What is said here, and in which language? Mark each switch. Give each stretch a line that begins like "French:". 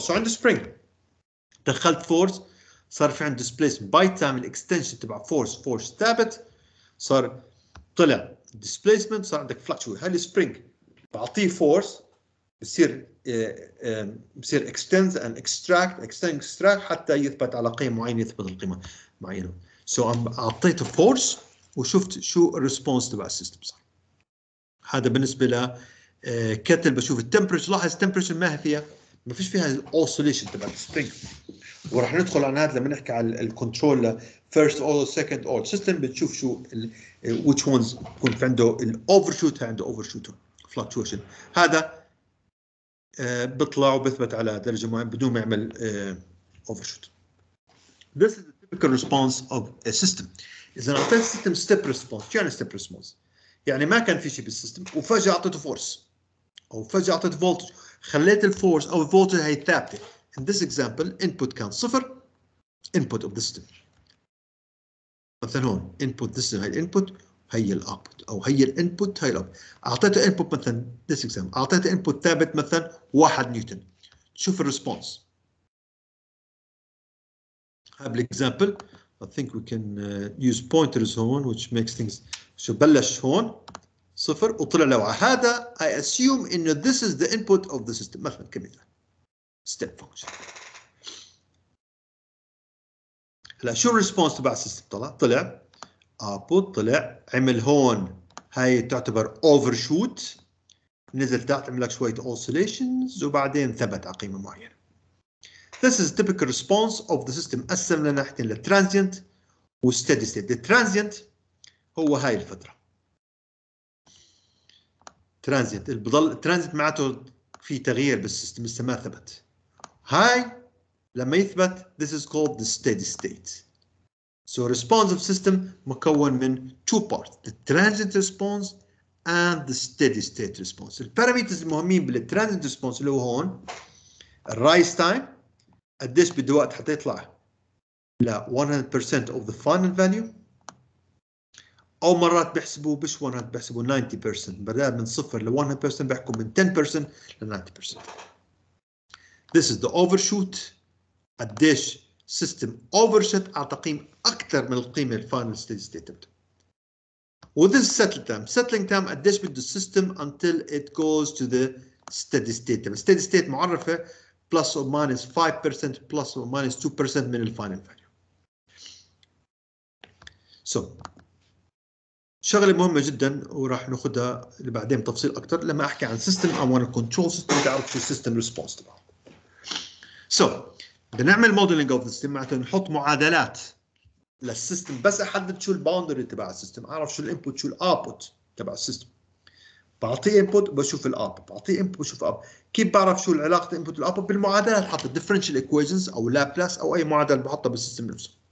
Arabic: سو عند سبرينج دخلت فورس، صار في عند
English: displacement by time extension
Arabic: تبع force، force ثابت، صار طلع displacement، صار عندك fluctuate. هل spring بعطيه force بصير بصير
English: extend and extract، extend and extract
Arabic: حتى يثبت على قيمة معينة، يثبت القيمة معينة.
English: so I'm
Arabic: عطيته force وشفت شو response تبع system صار. هذا بالنسبة ل كتل بشوف temperature، لاحظ temperature ما فيها، ما فيش فيها oscillation تبع spring. ورح ندخل عن هذا لما نحكي على الكنترول
English: first order second order system،
Arabic: بتشوف شو ال
English: which ones
Arabic: يكون في عنده ال overshoot عنده overshoot fluctuation. هذا بطلع وبثبت على درجة معينة بدون ما يعمل overshoot.
English: This is the typical response of a system.
Arabic: إذا أعطيت system step response، يعني step response يعني ما كان في شيء بالسيستم وفجأة أعطيته force أو فجأة أعطيته voltage، خليت ال force أو voltage هاي ثابتة.
English: In this example, input
Arabic: كان صفر،
English: input of the system.
Arabic: مثلا هون
English: input the system
Arabic: هاي input هاي output أو هاي input هاي output. أعطيته input مثلا
English: this example،
Arabic: أعطيته input ثابت مثلا 1 نيوتن. شوف الريسبونس. هاي بالإكزامبل،
English: I think we can use pointers
Arabic: هون
English: which makes things.
Arabic: شو بلش هون صفر وطلع لوعة. هذا
English: I assume
Arabic: إنه
English: this is the input of the system.
Arabic: مثلا كمثال. step function. هلا شو الريسبونس تبع السيستم؟ طلع طلع output، طلع عمل هون هاي تعتبر overshoot، نزل تحت عمل لك شوية oscillations وبعدين ثبت على قيمة معينة.
English: This is typical response of the system.
Arabic: قسم لنا حتى ل transient و steady state.
English: The transient
Arabic: هو هاي الفترة. Transient اللي بضل transient معناته في تغيير بالسيستم لسه ما ثبت. هاي لما يثبت
English: this is called the steady state. So response of system
Arabic: مكون من
English: two parts: the transient response and the steady state response.
Arabic: الparameters المهمين بالtransient response اللي هو هون rise time، قديش بده وقت حتى يطلع ل
English: 100% of the final value،
Arabic: أو مرات بيحسبوا بش 100 بيحسبوا 90%، بدل من صفر ل 100% بيحكوا من 10% ل 90%.
English: This is the overshoot. قديش system overshoot
Arabic: على تقييم أكثر من القيمة
English: final steady state. With this settling time. Settling time
Arabic: قديش بده
English: system until it goes to the steady state. Steady state
Arabic: معرفة
English: plus or minus 5% plus or minus 2% من final value.
Arabic: So شغلة مهمة جدا وراح نأخذها لبعدين تفصيل أكثر. لما أحكي عن
English: system I want to control system to output system response
Arabic: تبعه. So بنعمل modeling of the system، معناته نحط معادلات للسيستم، بس احدد شو الباوندري تبع السيستم، اعرف شو الانبوت شو الاوتبوت تبع السيستم. بعطيه انبوت بشوف الاوتبوت، بعطيه انبوت بشوف الاوتبوت. كيف بعرف شو العلاقه الانبوت والاوتبوت؟ بالمعادلات، حط differential equations او لابلاس او اي معادله بحطها بالسيستم نفسه.